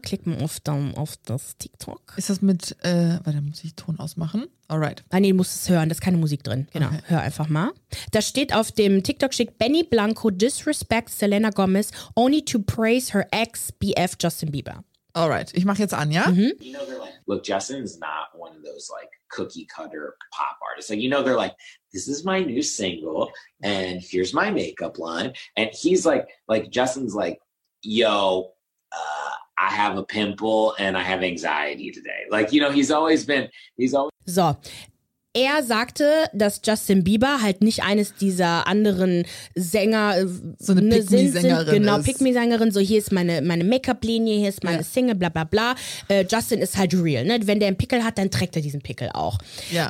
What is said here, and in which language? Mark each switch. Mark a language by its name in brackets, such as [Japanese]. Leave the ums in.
[German] Klickt mal auf, Daumen auf das TikTok. Ist das mit. Äh, warte, muss ich Ton ausmachen? [English] Alright. [German] Ah, nee, du musst es hören, da ist keine Musik drin. Genau, hör einfach mal. Da steht auf dem TikTok steht [English] Benny Blanco disrespects Selena Gomez only to praise her ex BF Justin Bieber. Alright. [German] Ich mache jetzt an, ja? [English] you know they're like look justin's not one of those like cookie cutter pop artists like you know they're like this is my new single and here's my makeup line and he's like like justin's like yo uh, i have a pimple and i have anxiety today like you know he's always been he's always [German] So. Er sagte, dass Justin Bieber halt nicht eines dieser anderen Sänger, äh, So eine sind- Pick-me-Sängerin Genau, ist. Pick-me-Sängerin. So, hier ist meine, meine Make-up-Linie, hier ist meine Ja. Single, bla bla bla. Äh, Justin ist halt real. Ne? Wenn der einen Pickel hat, dann trägt er diesen Pickel auch. Ja.